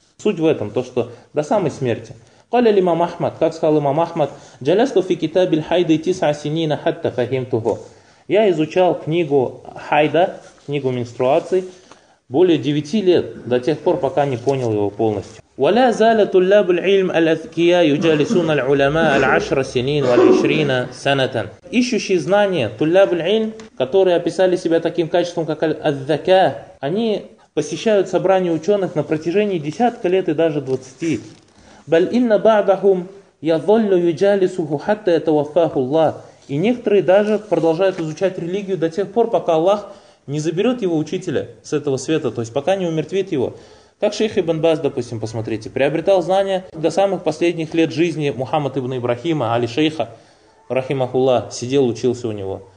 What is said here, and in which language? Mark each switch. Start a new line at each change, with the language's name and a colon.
Russian: Суть в этом, то что до самой смерти.
Arabic: Каля ли имам Ахмад,
Russian: как сказал имам Ахмад,
Arabic: джалясту фи китабиль хайда тиса синина хатта фахимтухо.
Russian: Я изучал книгу хайда, книгу менструаций, более 9 лет, до тех пор, пока не понял его полностью.
Arabic: ولا زال طلاب العلم الأذكياء يجالسون العلماء العشر سنين والعشرين سنة.
Russian: Ищущие знания, طلاب العلم, которые описали себя таким качеством, как الذكاء, они посещают собрания ученых на протяжении десятка лет и даже 20.
Arabic: بل إن بعضهم يظل يجالسه حتى يتوفاه الله.
Russian: И некоторые даже продолжают изучать религию до тех пор, пока Аллах не заберет его учителя с этого света, то есть пока не умертвит его. Как шейх Ибн Баз, допустим, посмотрите, приобретал знания до самых последних лет жизни Мухаммад Ибн Ибрахима, али шейха, рахимахулла, сидел, учился у него.